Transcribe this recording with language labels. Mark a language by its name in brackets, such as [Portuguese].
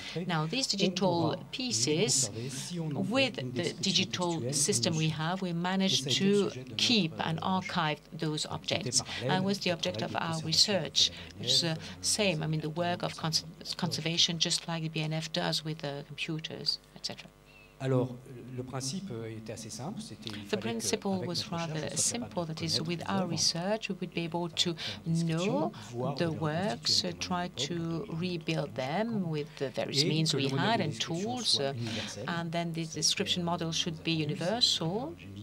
[English] Now, these digital pieces, with the digital system we have, we managed to keep and archive those objects. And with the object of our research, which is the same, I mean, the work of conservation, just like the BNF does with the computers, etc. [French] Alors, le principe était assez simple. [English] The principle was rather simple, that is, with our research, we would be able to know the works, try to rebuild them with the various means we had and tools, and then the description model should be universal.